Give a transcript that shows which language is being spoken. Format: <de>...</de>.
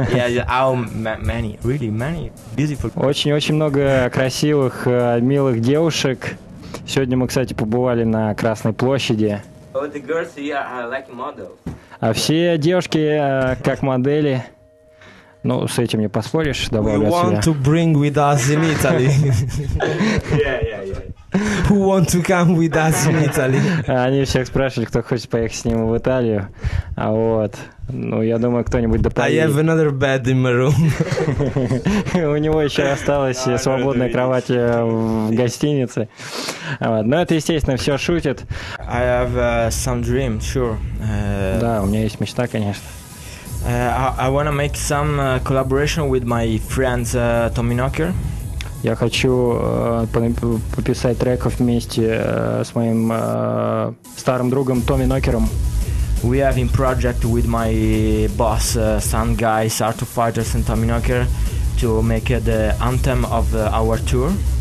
<en>Yeah, how many? Really many beautiful.</en> <ru>Очень-очень много красивых, милых девушек. Сегодня мы, кстати, побывали на Красной площади.</ru> <en>All the girls here are like models.</en> <ru>А все девушки как модели. Ну, с этим не поспоришь, добавлю</ru> <en>себя. We want to bring with us in Italy. Yeah. Who want to come with us in Italy?</en> <ru>Они всех спрашивали, кто хочет поехать с ним в Италию. А вот, ну я думаю, кто-нибудь допоедет.</ru> <en>I have another bed in my room.</en> <ru>У него еще осталась свободная кровать в гостинице. Вот. Но это, естественно, все шутит.</ru> <en>I have some dream, sure.</en> <ru>Да, у меня есть мечта, конечно.</ru> <en>I wanna make some collaboration with my friends Tommy Knocker.</en> <ru>Я хочу пописать треков вместе с моим старым другом Томми Нокером.</ru> <en>We have in project with my boss, Sun Guys, Art of Fighters and Tommy Knocker to make the anthem of our tour.</en>